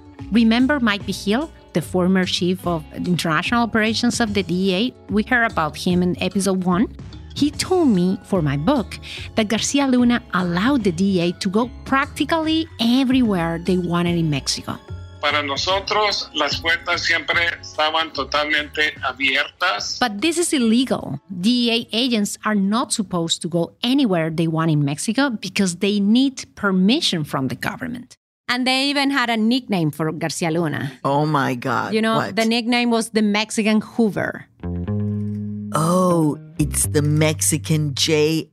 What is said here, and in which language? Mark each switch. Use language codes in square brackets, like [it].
[en] Remember Mike Vigil, the former chief of international operations of the DEA? We heard about him in episode 1. He told me for my book that Garcia Luna allowed the DEA to go practically everywhere they wanted in Mexico. [es] Para nosotros, las puertas siempre estaban totalmente abiertas. [en] But this is illegal. DEA agents are not supposed to go anywhere they want in Mexico because they need permission from the government. And they even had a nickname for Garcia Luna. Oh my God. You know, what? The nickname was the Mexican Hoover. Oh, it's the Mexican J.